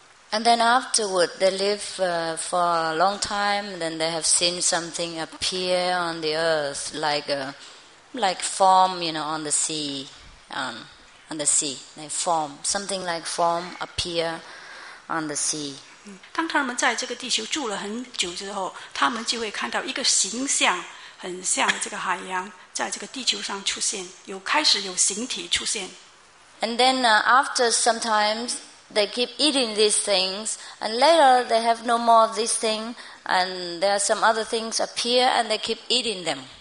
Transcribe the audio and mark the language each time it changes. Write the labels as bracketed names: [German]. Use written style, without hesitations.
[English] And then afterward, they live for a long time. Then they have seen something appear on the earth, like form, you know, on the sea, like form, something like form appear on the sea. [Chinese] 当他们在这个地球住了很久之后，他们就会看到一个形象，很像这个海洋，在这个地球上出现，有开始有形体出现。 [English] And then after some time, they keep eating these things, and later they have no more of this thing, and there are some other things appear, and they keep eating them.